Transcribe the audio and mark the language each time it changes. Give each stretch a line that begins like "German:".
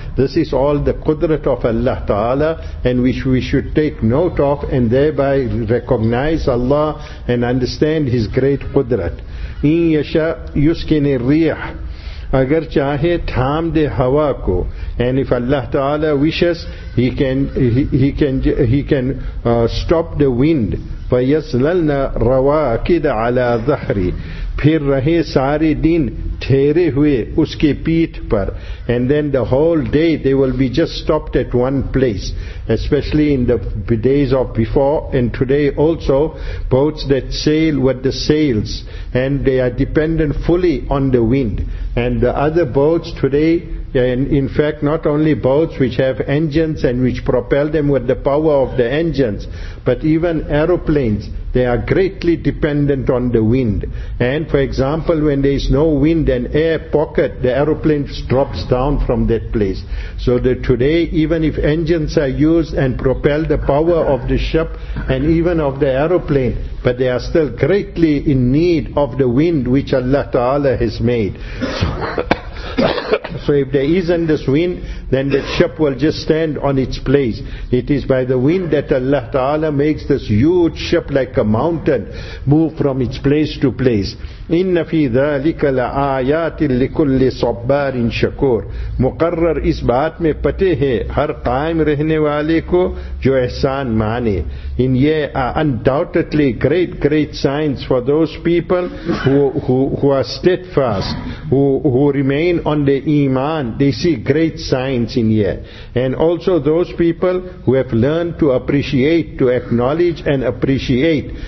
English: This is all the Qudrat of Allah Ta'ala, and which we should take note of and thereby recognize Allah and understand His great Qudrat.
Arabic: إِنْ يَشَأْ يُسْكِنِ الرِّيَحَ,
Urdu: اگر چاہے تھام دے ہوا کو.
English: And if Allah Ta'ala wishes, He can stop the wind.
Arabic: فَيَسْلَلْنَ رَوَاكِدَ عَلَى ذَحْرِ,
Urdu: پھر رہے سارے دن ٹھہرے ہوئے اس کے پیٹ پر.
English: And then the whole day they will be just stopped at one place. Especially in the days of before and today also, boats that sail with the sails, and they are dependent fully on the wind. And the other boats today, and in fact not only boats which have engines and which propel them with the power of the engines, but even aeroplanes, they are greatly dependent on the wind. And for example, when there is no wind and air pocket, the aeroplane drops down from that place. So that today, even if engines are used and propel the power of the ship and even of the aeroplane, but they are still greatly in need of the wind which Allah Ta'ala has made. So if there isn't this wind, then the ship will just stand on its place. It is by the wind that Allah Ta'ala makes this huge ship like a mountain move from its place to place.
Arabic: إِنَّ فِي ذَلِكَ لَآيَاتٍ لِكُلِّ صَبَّارٍ شَكُورٍ,
Urdu: مقرر اس بات میں پتے ہیں ہر قائم رہنے والے کو جو احسان مانے.
English: And yeah, undoubtedly great, great signs for those people who are steadfast, who remain on the iman. They see great signs in here. And also those people who have learned to appreciate, to acknowledge and appreciate.